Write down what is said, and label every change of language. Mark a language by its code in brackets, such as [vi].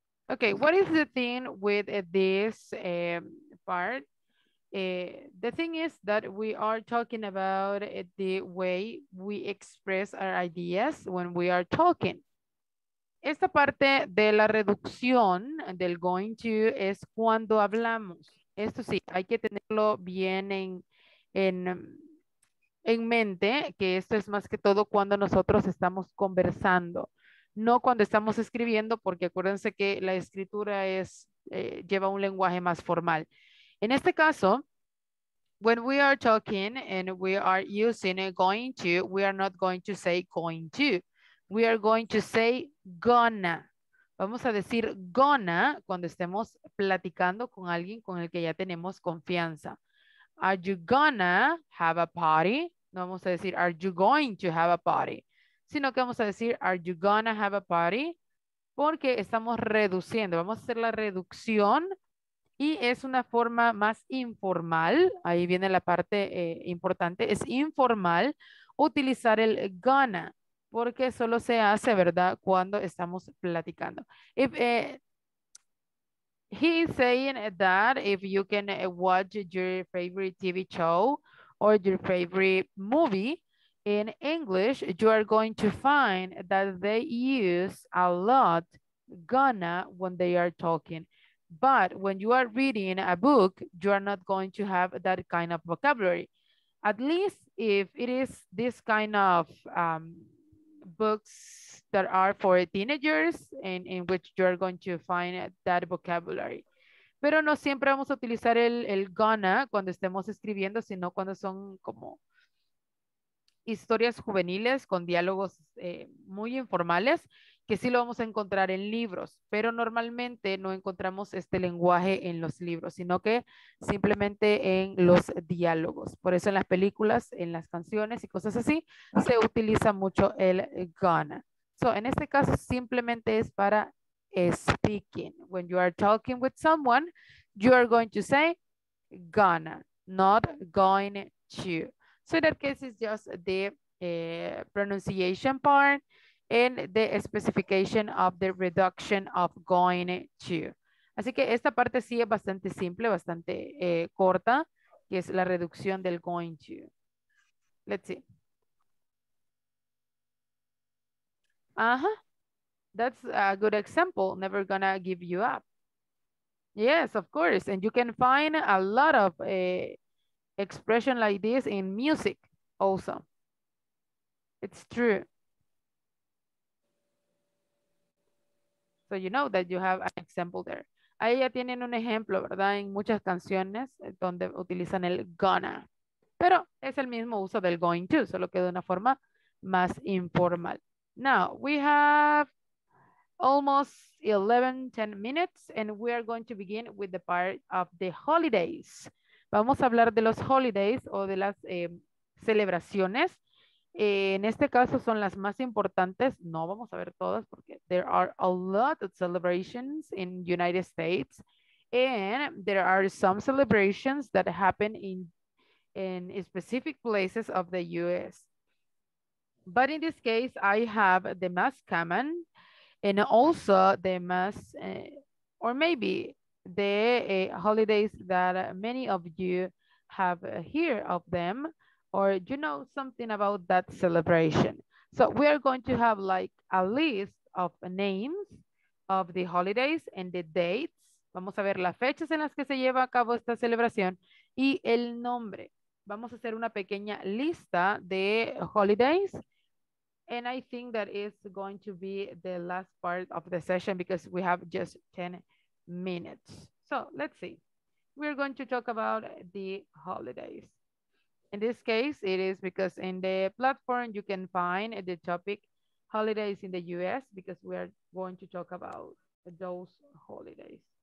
[en] Okay, what is the thing with this part? The thing is that we are talking about the way we express our ideas when we are talking. [es] Esta parte de la reducción del going to es cuando hablamos. Esto sí, hay que tenerlo bien en mente, que esto es más que todo cuando nosotros estamos conversando, no cuando estamos escribiendo, porque acuérdense que la escritura es, lleva un lenguaje más formal. En este caso, [en] when we are talking and we are using a going to, we are not going to say going to. We are going to say gonna. [es] Vamos a decir gonna cuando estemos platicando con alguien con el que ya tenemos confianza. [en] Are you gonna have a party? [es] No vamos a decir [en] are you going to have a party, [es] sino que vamos a decir [en] are you gonna have a party? [es] porque estamos reduciendo. Vamos a hacer la reducción y es una forma más informal. Ahí viene la parte importante. Es informal utilizar el gonna porque solo se hace, ¿verdad?, cuando estamos platicando. [en] He's saying that if you can watch your favorite TV show or your favorite movie in English, you are going to find that they use a lot gonna when they are talking. But when you are reading a book, you are not going to have that kind of vocabulary. At least if it is this kind of books that are for teenagers and in which you are going to find that vocabulary. [es] Pero no siempre vamos a utilizar el gonna cuando estemos escribiendo, sino cuando son como historias juveniles con diálogos muy informales, que sí lo vamos a encontrar en libros, pero normalmente no encontramos este lenguaje en los libros, sino que simplemente en los diálogos. Por eso en las películas, en las canciones y cosas así, se utiliza mucho el gonna. So, en este caso, simplemente es para speaking. [en] When you are talking with someone, you are going to say gonna, not going to. So in that case is just the pronunciation part and the specification of the reduction of going to. [es] Así que esta parte sí es bastante simple, bastante corta, que es la reducción del going to. [en] Let's see. Uh-huh. That's a good example. Never gonna give you up. Yes, of course. And you can find a lot of expression like this in music also. It's true. So you know that you have an example there. [es] Ahí ya tienen un ejemplo, ¿verdad? En muchas canciones donde utilizan el gonna. Pero es el mismo uso del going to, solo que de una forma más informal. [en] Now, we have almost 10 minutes and we are going to begin with the part of the holidays. [es] Vamos a hablar de los holidays o de las celebraciones. En este caso son las más importantes. No vamos a ver todas porque [en] there are a lot of celebrations in United States and there are some celebrations that happen in specific places of the U.S. But in this case, I have the most common and also the most, or maybe the holidays that many of you have heard of them, or you know something about that celebration. So we are going to have like a list of names of the holidays and the dates. [es] Vamos a ver las fechas en las que se lleva a cabo esta celebración y el nombre. Vamos a hacer una pequeña lista de holidays. [en] And I think that is going to be the last part of the session because we have just 10 minutes. So let's see. We're going to talk about the holidays. In this case, it is because in the platform, you can find the topic holidays in the US because we are going to talk about those holidays.